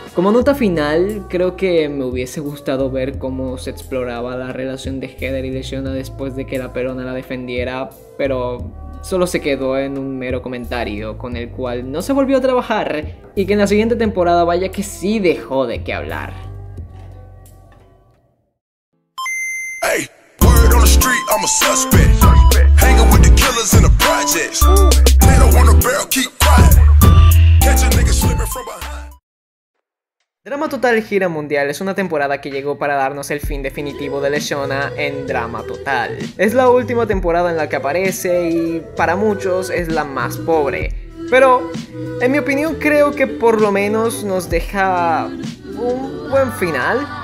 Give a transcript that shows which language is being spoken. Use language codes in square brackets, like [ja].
[es] Como nota final, creo que me hubiese gustado ver cómo se exploraba la relación de Heather y Leshona después de que la Perona la defendiera, pero solo se quedó en un mero comentario con el cual no se volvió a trabajar, y que en la siguiente temporada vaya que sí dejó de qué hablar. [en] Hey, word on the street, I'm a suspect. Hanging with the killers in the projects. They don't want a barrel, keep quiet. Catch a nigga slipping from behind. [es] Drama Total Gira Mundial es una temporada que llegó para darnos el fin definitivo de Leshona en Drama Total. Es la última temporada en la que aparece y para muchos es la más pobre. Pero, en mi opinión, creo que por lo menos nos deja un buen final.